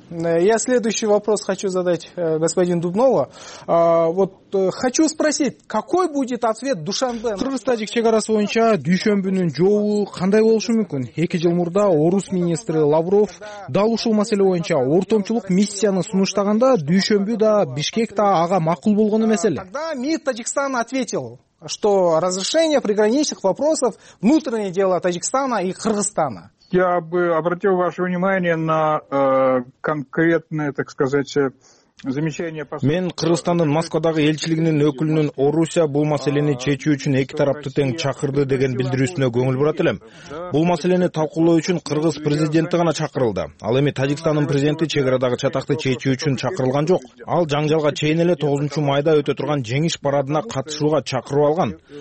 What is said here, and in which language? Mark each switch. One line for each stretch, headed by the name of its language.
Russian: Я следующий вопрос хочу задать господину Дубнову. Вот хочу спросить, какой будет ответ Душанбе?
Kyrgyz: Кыргыз Тажик чек арасы боюнча дүйшөмбүнүн жолу кандай болушу мүмкүн? 2 жыл мурда орус министри Лавров дал ушул маселе боюнча ортомчулук миссияны сунуштаганда дүйшөмбү да Бишкек да ага макул болгону маселе.
Russian: Тогда МИД Таджикистан ответил, что разрешение приграничных вопросов — внутреннее дело Таджикистана и Кыргызстана. Я бы обратил ваше внимание на конкретное, так сказать, замечание.
Kyrgyz: Мен Кыргызстандын Москвадагы элчилигинин өкүлүнүн Орусия бул маселени чечүү үчүн эки тарапты тең чакырды деген билдирүүсүнө көңүл бурат элем. Бул маселени талкуулоо үчүн кыргыз президенти гана чакырылды. Ал эми Таджикстандын президенти чек арадагы чатакты чечүү үчүн чакырылган жок. Ал жаңжалга чейин эле 9 майда өтө турган жеңиш парадына катышууга чакырып алган.